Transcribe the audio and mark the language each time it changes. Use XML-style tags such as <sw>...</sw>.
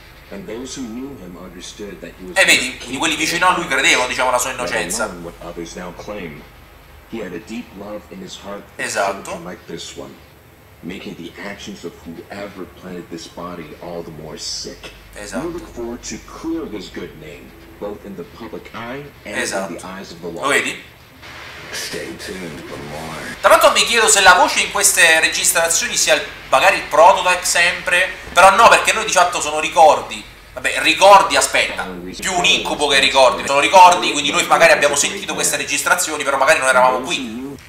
<en>And those who knew him understood that he was...</en> <it>E vedi, quelli vicino a lui credevano, diciamo, la sua innocenza.</it> <en>What others now claim. He had a deep love in his heart.</en> <it>Esatto.</it> <en>Like this one. Making the actions of whoever planted this body all the more sick.</en> <it>Esatto.</it> <en>We look forward to clear his good name, both in the public eye and</en> <it>esatto.</it> <en>In the eyes of the law.</en> <it>Lo vedi?</it> <en>Stay tuned.</en> <it>Tra l'altro mi chiedo se la voce in queste registrazioni sia magari il prototype sempre. Però no, perché noi di fatto sono ricordi. Vabbè, ricordi, aspetta, più un incubo che ricordi. Sono ricordi, quindi noi magari abbiamo sentito queste registrazioni, però magari non eravamo qui.</it>